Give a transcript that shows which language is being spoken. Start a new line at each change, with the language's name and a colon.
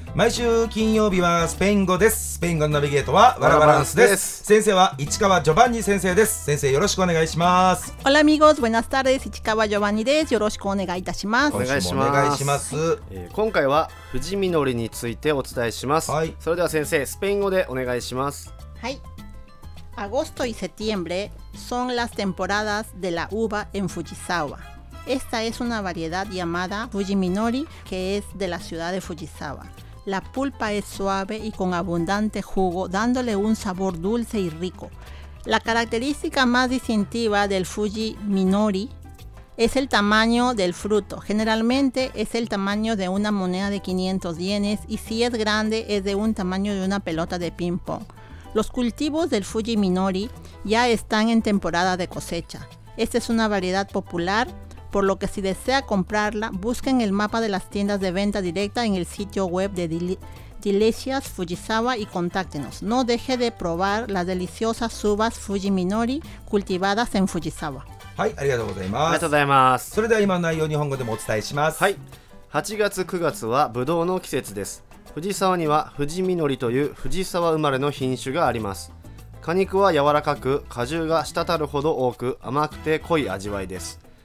Japanese: 毎週金曜日はスペイン語です。スペイン語のナビゲートはワラバランスです。先生は市川ジョバンニ先生です。先生よろしくお願いします。
Spanish: オラミゴーズ、ブエナスタレス、
Japanese: 市川ジョバンニです。よろしくお願いいたします。お願いします。お願いします、はい、今回は藤実りについてお伝えします、はい、それでは先生スペイン語でお願いします。はい。
Spanish: Agosto y septiembre son las temporadas de la uva en Fujisawa. Esta es una variedad llamada Fujiminori que es de la ciudad de Fujisawa. La pulpa es suave y con abundante jugo, dándole un sabor dulce y rico. La característica más distintiva del Fujiminori es el tamaño del fruto. Generalmente es el tamaño de una moneda de 500 yenes y si es grande es de un tamaño de una pelota de ping pong. Los cultivos del Fujiminori ya están en temporada de cosecha. Esta es una variedad popular, por lo que si desea comprarla, busquen el mapa de las tiendas de venta directa en el sitio web de Delicias Fujisawa y contáctenos. No deje de probar las deliciosas uvas Fujiminori cultivadas en Fujisawa.
Japanese: はい、ありがとうございます。ありがとうございます。それでは今の内容日本語でもお伝えします。はい。 8月、9月はブドウの季節です。藤沢には藤実りという藤沢生まれの品種があります。果肉は柔らかく果汁が滴るほど多く甘くて濃い味わいです。